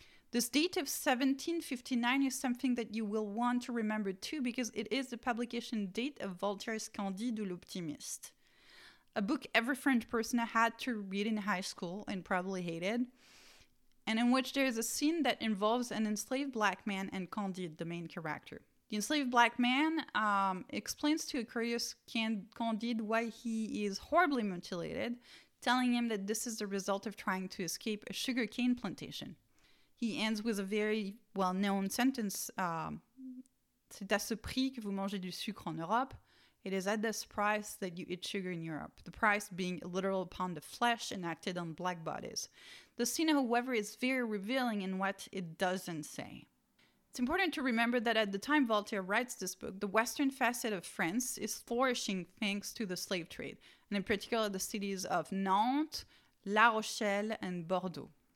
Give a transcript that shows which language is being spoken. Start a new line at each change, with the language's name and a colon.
English: This date of 1759 is something that you will want to remember too, because it is the publication date of Voltaire's Candide ou l'Optimiste, a book every French person had to read in high school and probably hated, and in which there is a scene that involves an enslaved black man and Candide, the main character. The enslaved black man explains to a curious Candide why he is horribly mutilated, telling him that this is the result of trying to escape a sugarcane plantation. He ends with a very well-known sentence,
French: c'est à ce prix que vous mangez du sucre en Europe.
English: It is at this price that you eat sugar in Europe, the price being a literal pound of flesh enacted on black bodies. The scene, however, is very revealing in what it doesn't say. It's important to remember that at the time Voltaire writes this book, the western facet of France is flourishing thanks to the slave trade, and in particular the cities of Nantes, La Rochelle, and Bordeaux.